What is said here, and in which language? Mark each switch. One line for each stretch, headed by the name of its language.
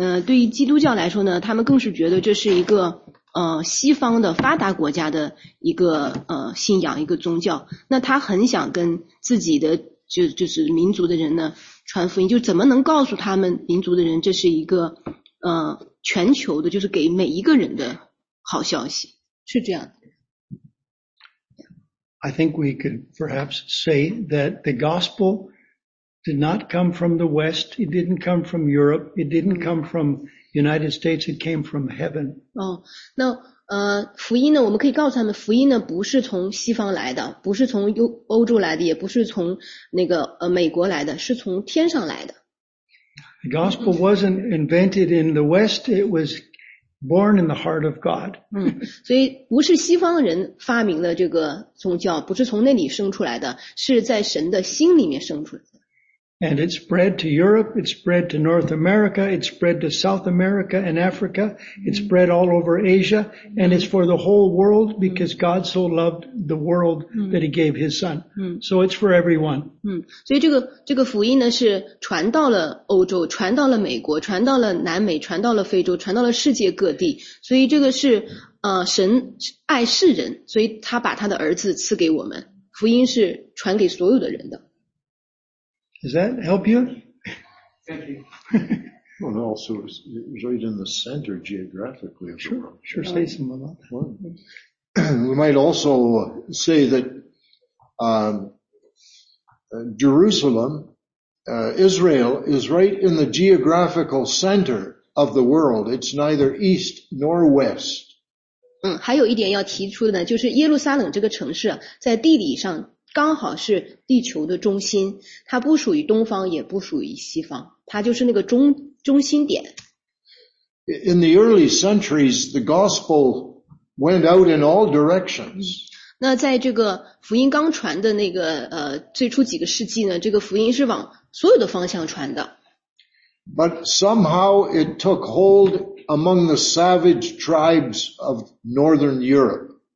Chinese: 对于基督教来说呢，他们更是觉得这是一个西方的发达国家的一个信仰，一个宗教。那他很想跟自己的就是民族的人呢传福音，就怎么能告诉他们民族的人这是一个全球的，就是给每一个人的好消息，是这样的。
English: I think we could perhaps say that the gospel did not come from the West. It didn't come from Europe. It didn't come from the United States. It came from heaven.
Chinese: 那福音呢，我们可以告诉他们，福音呢不是从西方来的，不是从欧洲来的，也不是从那个美国来的，是从天上来的。
English: The gospel wasn't invented in the West. It was born in the heart of God.
Chinese: 所以不是西方人发明了这个宗教，不是从那里生出来的，是在神的心里面生出来的。
English: And it spread to Europe, it spread to North America, it spread to South America and Africa, it spread all over Asia, and it's for the whole world because God so loved the world that he gave his son. So it's for everyone.
Chinese: 所以这个福音呢是传到了欧洲，传到了美国，传到了南美，传到了非洲，传到了世界各地。所以这个是神爱世人，所以他把他的儿子赐给我们。福音是传给所有的人的。
English: Does that help you? Thank you. Well, also, it was right in the center geographically of the world. Sure, say some about that. Well, we might also say that Jerusalem, Israel, is right in the geographical center of the world. It's neither east nor west.
Chinese: 还有一点要提出的就是耶路撒冷这个城市在地理上刚好是地球的中心，它不属于东方，也不属于西方，它就是那个中心点。
English: In the early centuries, the gospel went out in all directions.
Chinese: 那在这个福音刚传的那个最初几个世纪呢，这个福音是往所有的方向传的。
English: But somehow it took hold among the savage tribes of Northern Europe.